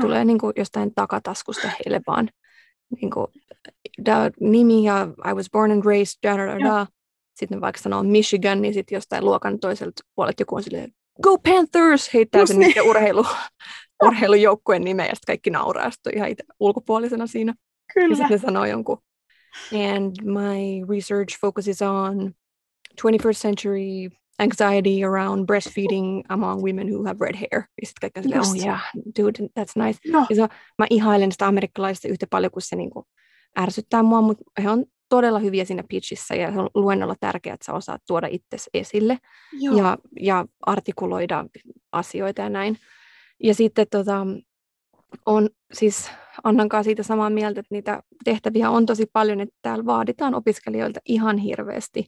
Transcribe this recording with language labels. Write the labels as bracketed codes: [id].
[fi] tulee niin kuin jostain takataskusta heille vaan. Niin kuin, nimi ja [en] I was born and raised, da da da da. [fi] Sitten vaikka sanoo Michigan, niin sitten jostain luokan toiselta puolelta joku on silleen, [en] go Panthers, [fi] heittää just sen niin. urheilujoukkueen nimeä, ja sitten kaikki nauraa, sitten ihan itse ulkopuolisena siinä. Kyllä. Ja sitten ne sanoo jonkun, [en] and my research focuses on 21st century anxiety around breastfeeding among women who have red hair. [fi] Ja sitten kaikki on silleen, just. [en] Oh yeah, dude, that's nice. [fi] No. Ja se, mä ihailen sitä amerikkalaisista yhtä paljon, kun se niin kuin ärsyttää mua, mutta he on todella hyviä siinä pitchissä, ja se on luennolla tärkeää, että sä osaat tuoda itsesi esille ja artikuloida asioita ja näin. Ja sitten on siis, annankaan siitä samaa mieltä, että niitä tehtäviä on tosi paljon, että täällä vaaditaan opiskelijoilta ihan hirveästi.